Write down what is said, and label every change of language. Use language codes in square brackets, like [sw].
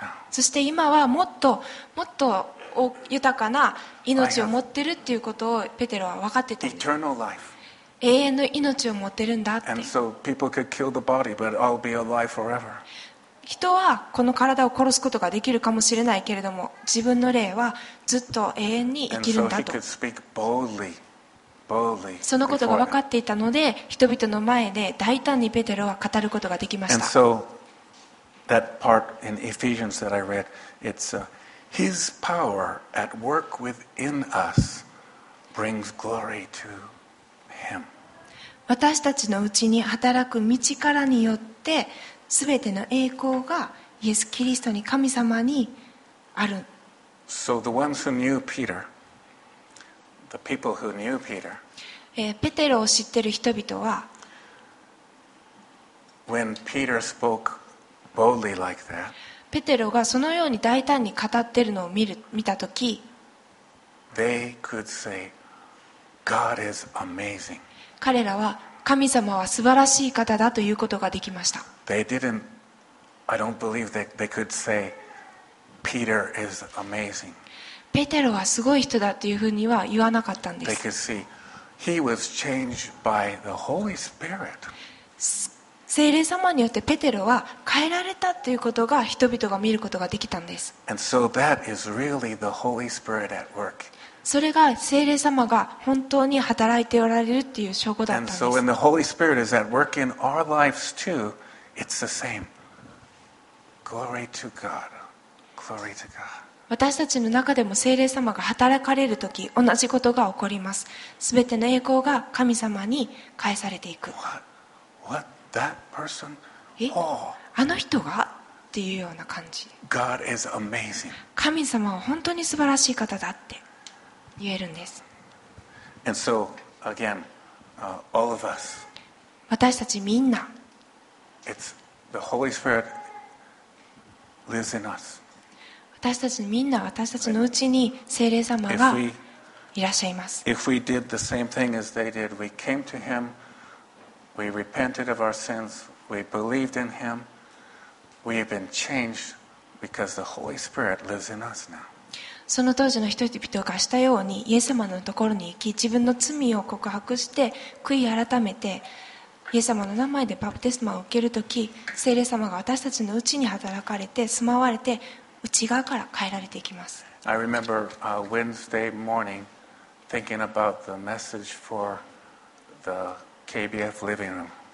[ja] そして今はもっと豊かな命を持ってるっていうことをペテロは分かってたんです。永遠の命を持ってるんだって。 [en] And so people could kill the body, but I'll be alive forever. [ja] 人はこの体を殺すことができるかもしれないけれども、自分の霊はずっと永遠に生きるんだと。 [en] And so he could speak boldly. [ja] そのことが分かっていたので、人々の前で大胆にペテロは語ることができました。 [en] And so, that part in Ephesians that I read, it's his power at work within us brings glory to him. [ja] 私たちのうちに働く御力によって全ての栄光がイエス・キリストに、神様にある。 [en] So the ones who knew Peter, the people who knew Peter, [ja] ペテロを知っている人々は、 [en] When Peter spoke boldly like that, [ja] ペテロがそのように大胆に語っているのを見たとき、 [en] They could say, God is amazing. [ja] 彼らは神様は素晴らしい方だということができました。 [en] They didn't, I don't believe that they could say, Peter is amazing. [ja] ペテロはすごい人だというふうには言わなかったんです。 [en] They could see,He was changed by the Holy Spirit. [ja] 聖霊様によってペテロは変えられたということが人々が見ることができたんです。 [en] And so that is really the Holy Spirit at work. [ja] それが聖霊様が本当に働いておられるっていう証拠だったんです。 [en] And so when the Holy Spirit is at work in our lives too, it's the same. Glory to God. Glory to God. [ja] 私たちの中でも聖霊様が働かれるとき、同じことが起こります。すべての栄光が神様に返されていく。 [en] What? What? That person? [ja] あの人がていうような感じ。 [en] God is amazing. [ja] 神様は本当に素晴らしい方だって言えるんです。 [en] And so, again, all of us, [ja] 私たちみんな、 [en] It's the Holy Spirit lives in us. [ja] 私たちみんな、私たちのうちに聖霊様がいらっしゃいます。 [en] If we did the same thing as they did, we came to Him, we repented of our sins, we believed in Him, we have been changed because the Holy Spirit lives in us now. [ja] その当時の人々がしたようにイエス様のところに行き、自分の罪を告白して悔い改めてイエス様の名前でバプテスマを受けるとき、聖霊様が私たちのうちに働かれて住まわれて内側から変えられていきます。 [en] I remember Wednesday morning thinking about the message for the KBF living room.